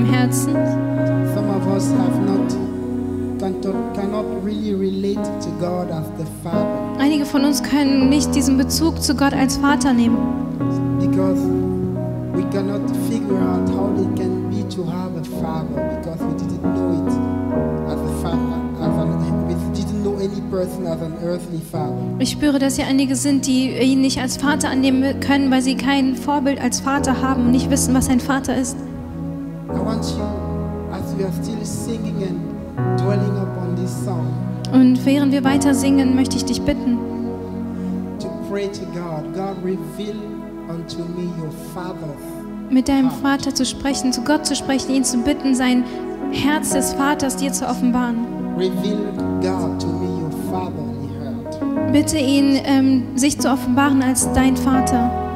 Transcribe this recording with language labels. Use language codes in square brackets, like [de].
[en] Some of us have not cannot really relate to God as the Father. [de] Einige von uns können nicht diesen Bezug zu Gott als Vater nehmen. [en] Because we cannot figure out how it can be to have a father, because we didn't know it as a father, as an, we didn't know any person as an earthly father. [de] Ich spüre, dass hier einige sind, die ihn nicht als Vater annehmen können, weil sie kein Vorbild als Vater haben und nicht wissen, was ein Vater ist. [en] I want you, as we are still singing and dwelling upon this song. [de] Und während wir weiter singen, möchte ich dich bitten. [en] pray to God, God reveal unto me your father. [de] Mit deinem Vater zu sprechen, zu Gott zu sprechen, ihn zu bitten, sein Herz des Vaters dir zu offenbaren. [en] Reveal God to me your fatherly heart. [de] Bitte ihn, sich zu offenbaren als dein Vater.